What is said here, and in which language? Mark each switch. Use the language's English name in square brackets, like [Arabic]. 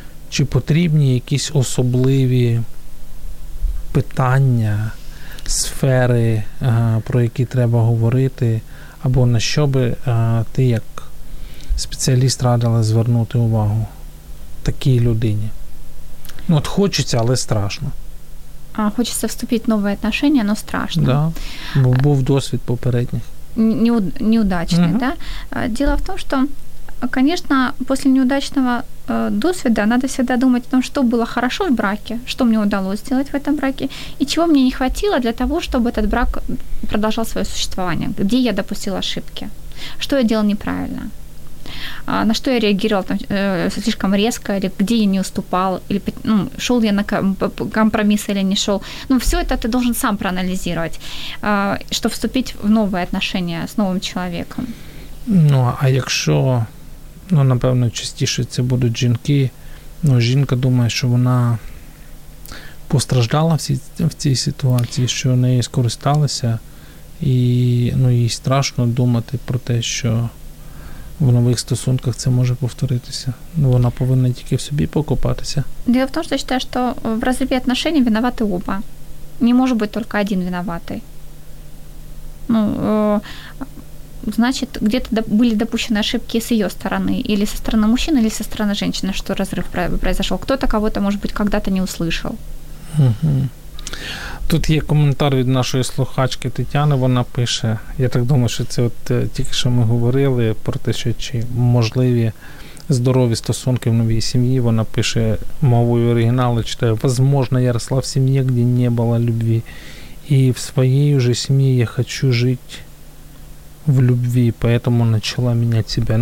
[Ukrainian] Чи потрібні якісь особливі питання, сфери, про які треба говорити, або на що би ти, як спеціаліст, радила звернути увагу такій людині? Ну, от хочеться, але страшно. А хочеться вступити в нові відносини, але страшно. Да, бо був досвід попередніх. Неудачний, угу. Да? Діло в тому, що [Russian] конечно, после неудачного досвида надо всегда думать о том, что было хорошо в браке, что мне удалось сделать в этом браке, и чего мне не хватило для того, чтобы этот брак продолжал свое существование, где я допустила ошибки, что я делала неправильно, на что я реагировала там, слишком резко, или где я не уступал, или ну, шел я на компромисс или не шел. Ну, все это ты должен сам проанализировать, чтобы вступить в новые отношения с новым человеком. [Ukrainian] Ну, а якщо, ну, напевно, частіше це будуть жінки, ну, жінка думає, що вона постраждала в цій ситуації, що нею скористалася, і, ну, їй страшно думати про те, що в нових стосунках це може повторитися. Ну, вона повинна тільки в собі покопатися. Діло в тому, що я вважаю, що в розриві отношений винувати оба. Не може бути тільки один винуватий. [Russian] Ну, значит, где-то были допущены ошибки с ее стороны, или со стороны мужчины, или со стороны женщины, что разрыв произошел. Кто-то кого-то, может быть, когда-то не услышал. [Ukrainian] Тут є коментар від нашої слухачки Тетяни, вона пише, я так думаю, що це от тільки що ми говорили про те, що чи можливі здорові стосунки в новій сім'ї, вона пише мовою оригіналу, читає, возможно, я росла в сім'ї, де не було любви, і в своїй уже сім'ї я хочу жити в любві, поэтому начала міняти себе.